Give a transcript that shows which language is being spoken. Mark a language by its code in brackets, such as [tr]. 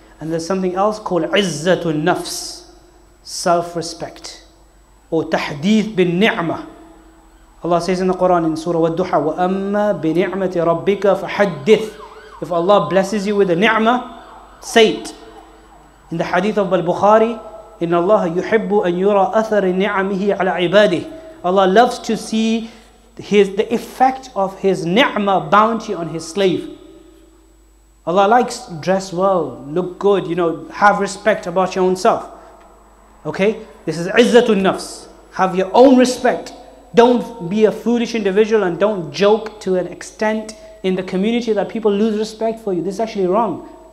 [en] And there's something else called izzatun nafs, self-respect. Or tahdith bin ni'mah. Allah says in the Quran in Surah Al-Duha, [ar] وَأَمَّا بِنِعْمَةِ رَبِّكَ فَحَدِّثْ. [en] If Allah blesses you with a ni'mah, say it. In the hadith of Al-Bukhari, [ar] إِنَّ اللَّهَ يُحِبُّ أَن يُرَى أَثَرِ نِعْمِهِ عَلَى عِبَادِهِ. [en] Allah loves to see the effect of His ni'mah bounty on His slave. Allah likes dress well, look good, you know, have respect about your own self. Okay? This is عِزَّةُ nafs. Have your own respect. Don't be a foolish individual and don't joke to an extent in the community that people lose respect for you. This is actually wrong.